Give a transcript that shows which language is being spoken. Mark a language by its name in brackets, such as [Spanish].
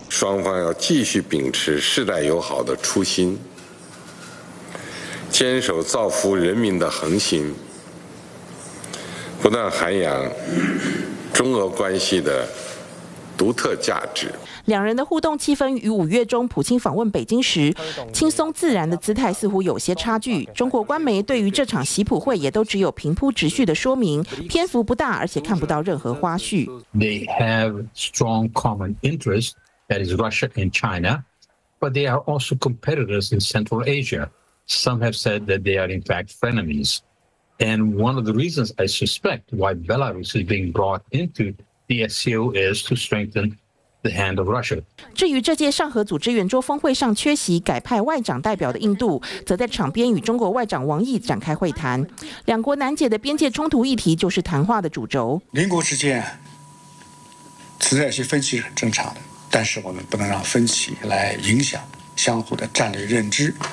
[Chinese] 双方要继续秉持世代友好的初心，坚守造福人民的恒心，不断涵养中俄关系的独特价值。两人的互动气氛与五月中普京访问北京时轻松自然的姿态似乎有些差距。中国官媒对于这场习普会也都只有平铺直叙的说明，篇幅不大，而且看不到任何花絮。 [English] They have strong common interests, that is Russia and China, but they are also competitors in Central Asia. Some have said that they are in fact frenemies. And one of the reasons I suspect why Belarus is being brought into the SCO is to strengthen. [Chinese] 至于这届上合组织圆桌峰会上缺席改派外长代表的印度，则在场边与中国外长王毅展开会谈。两国难解的边界冲突议题就是谈话的主轴。邻国之间存在一些分歧是很正常的，但是我们不能让分歧来影响相互的战略认知。